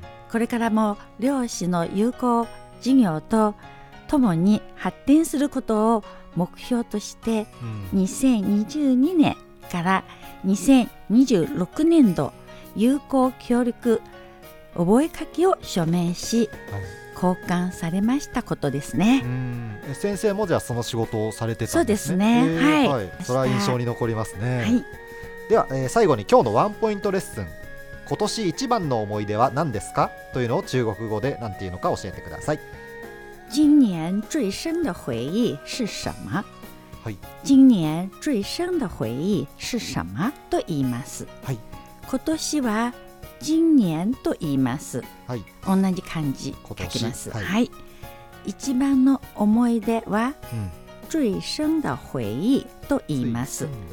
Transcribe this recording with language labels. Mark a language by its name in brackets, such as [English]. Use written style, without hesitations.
[Japanese] これからも両氏の友好事業とともに発展することを目標として、2022年から2026年度友好協力覚書を署名し交換されましたことですね。はい、先生もじゃあその仕事をされてたんですね。そうですね、はい、それは印象に残りますね。はい、では、最後に今日のワンポイントレッスン、今年一番の思い出は何ですか、というのを中国語で何て言うのか教えてください。 [Chinese] 今年最深的回忆是什么？ [Japanese] はい、 [Chinese] 今年最深的回忆是什么 [Japanese] と言います。はい、今年は今年と言います、はい、同じ漢字書きます。はい、はい、一番の思い出は、 [Chinese] 最深的回忆 [Japanese] と言います。